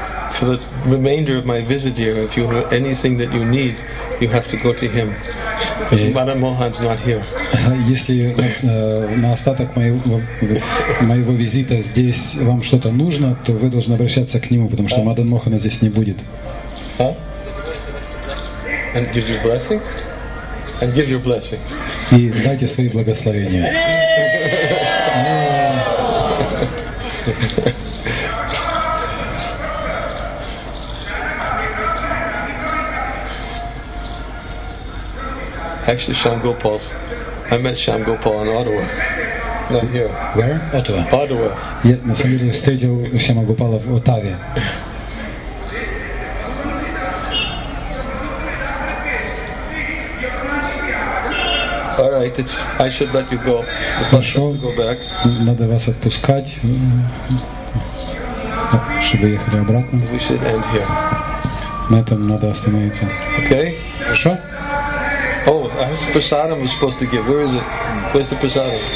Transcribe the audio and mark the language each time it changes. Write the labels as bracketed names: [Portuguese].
[English] For the remainder of my visit here, if you have anything that you need, you have to go to him. Madam Mohan's not here. [Russian] Если на остаток моего визита здесь вам что-то нужно, то вы должны обращаться к нему, потому что Мадан Мохана здесь не будет. [English] And give your blessings. And give your blessings. [Russian] И дайте свои благословения. [English] Actually, Shyam Gopal's. I met Shyam Gopal in Ottawa. Not here. Where? Ottawa. Ottawa. [Russian] Yeah, на самом деле я встретил Шьяма Гопала в Оттаве. [English] All right, I should let you go. [Russian] Хорошо. [English] Go back. [Russian] Надо вас отпускать. чтобы ехали обратно. [English] We should end here. [Russian] На этом надо остановиться. [English] Okay. [Russian] Хорошо? [English] Oh, I have prasadam we're supposed to give. Where is it? Where's the prasadam?